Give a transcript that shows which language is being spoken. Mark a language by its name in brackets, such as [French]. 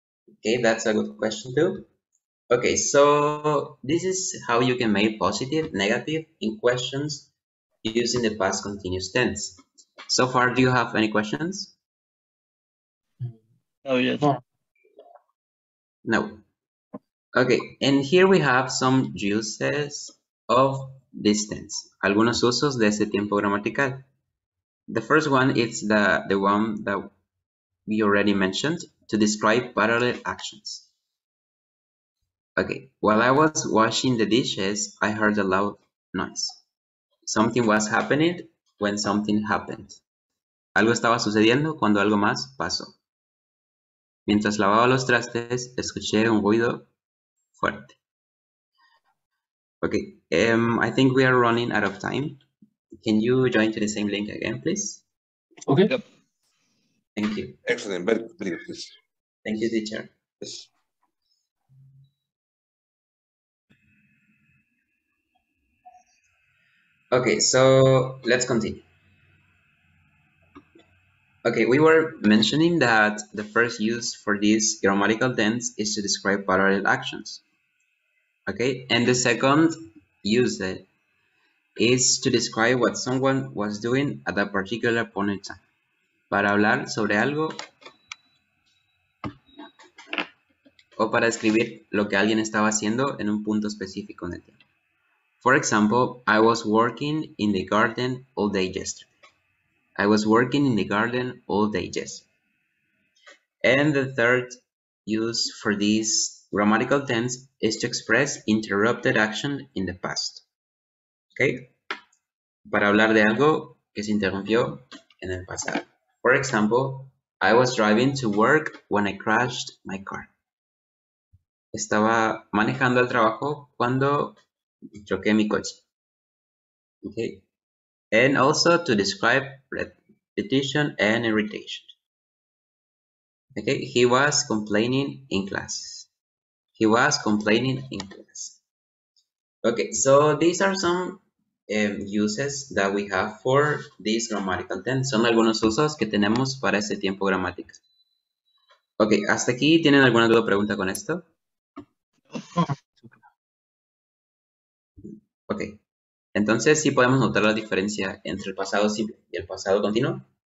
[English] Okay, that's a good question too. Okay, so this is how you can make positive, negative in questions using the past continuous tense. So far, do you have any questions? No. Okay, and here we have some uses of this tense. [Spanish] Algunos usos de ese tiempo gramatical. [English] The first one is the one that we already mentioned, to describe parallel actions. Okay, while I was washing the dishes, I heard a loud noise. Something was happening when something happened. [Spanish] Algo estaba sucediendo cuando algo más pasó. Mientras lavaba los trastes, escuché un ruido fuerte. [English] Okay, I think we are running out of time. Can you join to the same link again, please? Okay. Yep. Thank you. Excellent. Very good, please. Thank you, teacher. Yes. Okay, so let's continue. Okay, we were mentioning that the first use for this grammatical tense is to describe parallel actions. Okay, and the second use is to describe what someone was doing at that particular point in time. [Spanish] Para hablar sobre algo o para describir lo que alguien estaba haciendo en un punto específico en el tiempo. [English] For example, I was working in the garden all day yesterday. I was working in the garden all day yesterday. And the third use for this grammatical tense is to express interrupted action in the past. Okay? [Spanish] Para hablar de algo que se interrumpió en el pasado. [English] For example, I was driving to work when I crashed my car. [Spanish] Estaba manejando al trabajo cuando choqué mi coche. [English] Okay? And also to describe repetition and irritation. Okay? He was complaining in class. He was complaining in class. Okay, so these are some uses that we have for this grammatical tense. [Spanish] Son algunos usos que tenemos para ese tiempo gramatical. Okay, hasta aquí. ¿Tienen alguna duda o pregunta con esto? Okay, entonces sí podemos notar la diferencia entre el pasado simple y el pasado continuo.